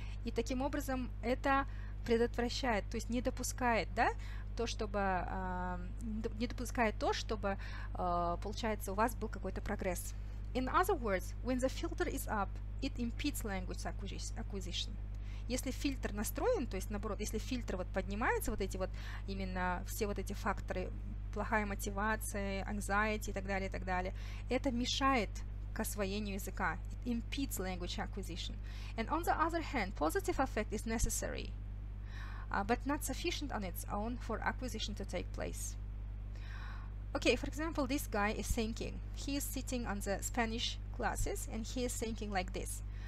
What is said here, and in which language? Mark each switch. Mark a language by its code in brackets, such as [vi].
[ru] И таким образом это предотвращает, то есть не допускает, да, то, чтобы не допускает то, чтобы получается у вас был какой-то прогресс. [en] In other words, when the filter is up, it impedes language acquisition. [ru] Если фильтр настроен, то есть наоборот, если фильтр вот поднимается, вот эти вот именно все вот эти факторы, плохая мотивация, anxiety и так далее, это мешает к освоению языка. [en] It impedes language acquisition. And on the other hand, positive affect is necessary, but not sufficient on its own for acquisition to take place. Okay, for example, this guy is thinking. He is sitting on the Spanish classes and he is thinking like this.